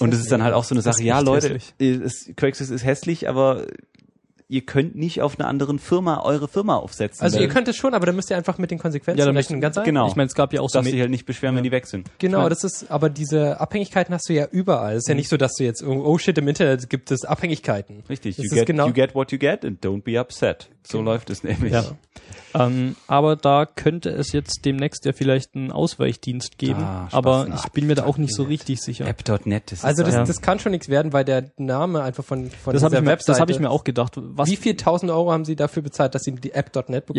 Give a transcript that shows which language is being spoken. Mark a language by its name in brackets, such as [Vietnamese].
[German] Und das ist dann halt auch so eine Sache. Ja, Leute, Craigslist ist hässlich, aber ihr könnt nicht auf einer anderen Firma eure Firma aufsetzen. Also ihr könnt es schon, aber dann müsst ihr einfach mit den Konsequenzen rechnen. Ganz einfach. Genau. Ich meine, es gab ja auch so, dass sie halt nicht beschweren, wenn die weg sind. Genau, ich mein, das ist, aber diese Abhängigkeiten hast du ja überall. Es ist ja nicht so, dass du jetzt, oh shit, im Internet gibt es Abhängigkeiten. Richtig, das [English] you get what you get and don't be upset. [German] So läuft es nämlich. Ja. Aber da könnte es jetzt demnächst ja vielleicht einen Ausweichdienst geben, aber ich bin mir da auch nicht so richtig sicher. App.net ist also das kann schon nichts werden, weil der Name einfach von dieser Webseite. Das habe ich mir auch gedacht. Was, wie viel 1000 Euro haben Sie dafür bezahlt, dass Sie die App.net bekommen?